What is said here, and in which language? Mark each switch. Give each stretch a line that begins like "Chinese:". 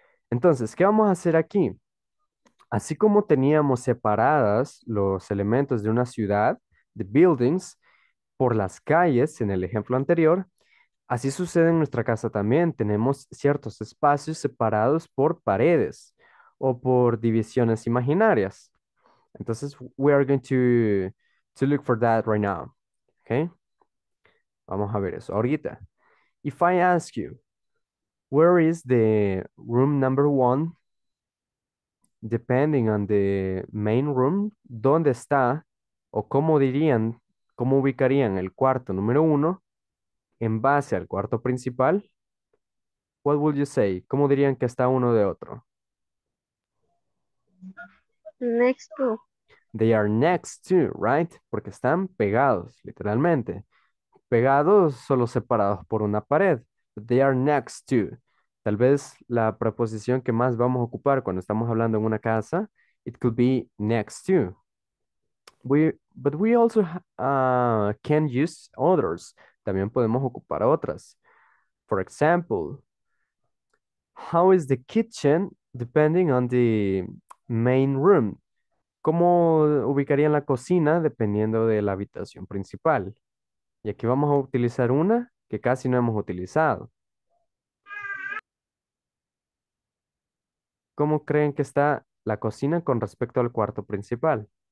Spanish: Entonces, ¿qué vamos a hacer aquí? Así como teníamos separadas los elementos de una ciudad,
English: the buildings,
Spanish: por las calles en el ejemplo anterior, así sucede en nuestra casa también. Tenemos ciertos espacios separados por paredes o por divisiones imaginarias.
English: Entonces, we are going to look for that right now. Okay?
Spanish: Vamos a ver eso ahorita.
English: If I ask you, where is the room number one? Depending on the main room,
Spanish: ¿dónde está? O cómo dirían, cómo ubicarían el cuarto número uno en base al cuarto principal.
English: What would you say?
Spanish: ¿Cómo dirían que está uno de otro?
English: Next to. They are next to, right?
Spanish: Porque están pegados, literalmente. Pegados, solo separados por una pared.
English: But they are next to.
Spanish: Tal vez la preposición que más vamos a ocupar cuando estamos hablando en una casa,
English: it could be next to. But we also can use others.
Spanish: También podemos ocupar otras.
English: For example, how is the kitchen depending on the main room?
Spanish: ¿Cómo ubicarían la cocina dependiendo de la habitación principal? Y aquí vamos a utilizar una que casi no hemos utilizado. ¿Cómo creen que está la cocina con respecto al cuarto principal?